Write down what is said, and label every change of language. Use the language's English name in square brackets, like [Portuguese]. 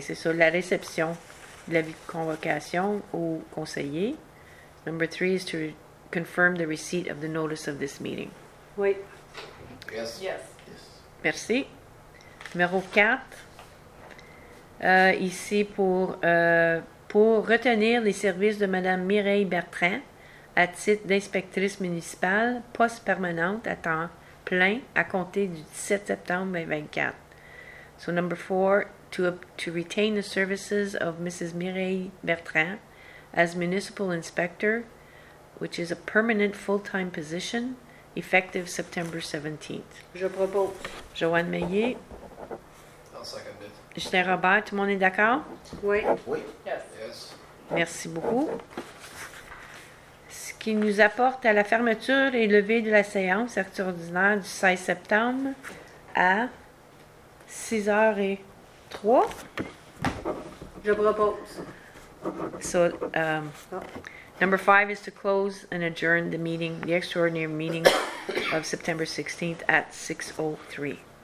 [French] c'est ça, la réception de l'avis de convocation au conseiller. [English] Number 3 is to confirm the receipt of the notice of this meeting. [French] Oui. [English] Yes. Yes. Yes. [French] Merci. Numéro 4. Ici pour retenir les services de Mme Mireille Bertrand à titre d'inspectrice municipale poste permanente à temps plein à compter du 17 septembre 2024. [English] So number 4, to retain the services of Mrs. Mireille Bertrand as municipal inspector, which is a permanent full-time position, effective September 17th. [French] Je propose. Joanne Meillet. [English] I'll second [French] it. Justin Robert, tout le monde est d'accord? Oui. Oui. [English] Yes. Yes. [French] Merci beaucoup. Ce qui nous apporte à la fermeture et levée de la séance extraordinaire du 16 septembre à 6h03. Je propose. [English] So, number 5 is to close and adjourn the meeting, the extraordinary meeting of September 16th at 6:03.